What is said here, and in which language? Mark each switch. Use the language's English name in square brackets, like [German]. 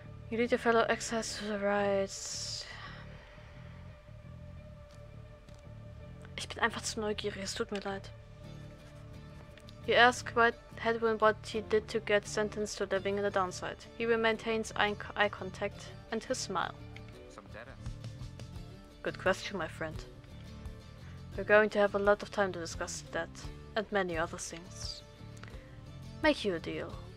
[English] You lead your fellow exiles to the rites. [German] Ich bin einfach zu neugierig, es tut mir leid. [English] You ask what Hedwyn what he did to get sentenced to living in the downside. He maintains eye contact and his smile. Good question, my friend. We're going to have a lot of time to discuss that and many other things. Make you a deal.